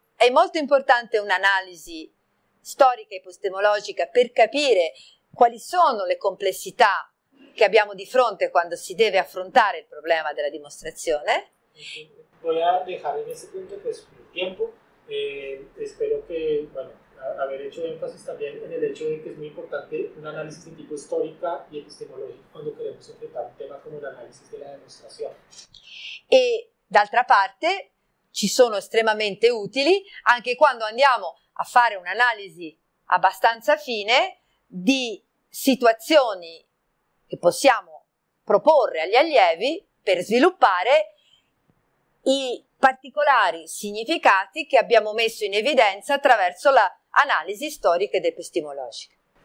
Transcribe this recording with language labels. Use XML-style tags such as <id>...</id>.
<it>È molto importante un'analisi storica e epistemologica per capire quali sono le complessità che abbiamo di fronte quando si deve affrontare il problema della dimostrazione. Voglio lasciare in questo punto questo tempo e spero che...</it> <es>Aver hecho énfasis también en el hecho de que es muy importante un análisis de tipo histórica y epistemológico cuando queremos enfrentar un tema como el análisis de la demostración.</es> <it>E d'altra parte ci sono estremamente utili anche quando andiamo a fare un'analisi abbastanza fine di situazioni che possiamo proporre agli allievi per sviluppare i particolari significati che abbiamo messo in evidenza attraverso la analisi storica ed epistemologica.</it>